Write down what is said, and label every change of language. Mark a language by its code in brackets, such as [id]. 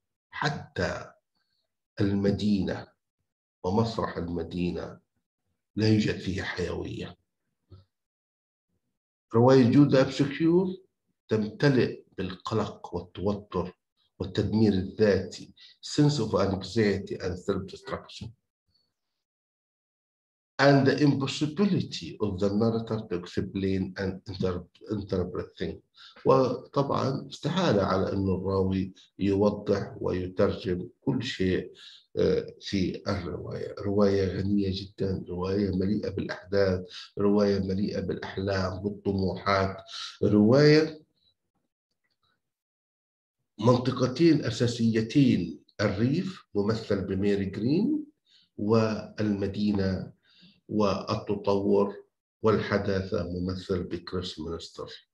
[ar] حتى المدينة ومسرح المدينة لا يوجد فيها حيوية. رواية جود أبسكيور تمتلئ بالقلق والتوتر والتدمير الذاتي [en] sense of anxiety and self-destruction and the impossibility of the narrator to explain and interpret things. [ar] وطبعا استحالة على أن الراوي يوضح ويترجم كل شيء في الرواية. رواية غنية جدا، رواية مليئة بالأحداث، رواية مليئة بالأحلام والطموحات، رواية منطقتين أساسيتين، الريف ممثل بميري جرين والمدينة والتطور والحداثة ممثل بكريس مينستر،